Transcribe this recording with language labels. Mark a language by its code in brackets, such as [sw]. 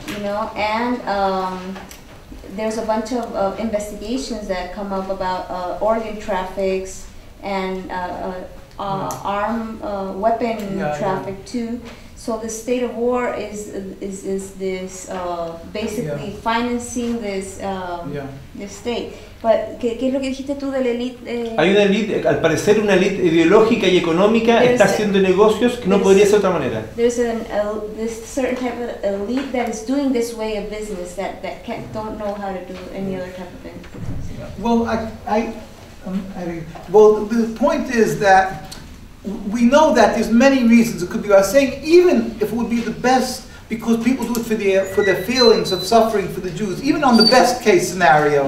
[en] You know, and there's a bunch of investigations that come up about organ traffics. And weapon traffic too. So the state of war is this basically financing this this state. [es] But ¿qué es lo que dijiste tú de la élite? Hay una élite, al parecer una élite ideológica y económica está haciendo negocios que no podría ser de otra manera. [en] There's this certain type of elite that is doing this way of business that can't, don't know how to do any other type of business. Well, the point is that we know that there's many reasons it could be. I was saying, even if it would be the best, because people do it for their feelings of suffering for the Jews, even on the best case scenario,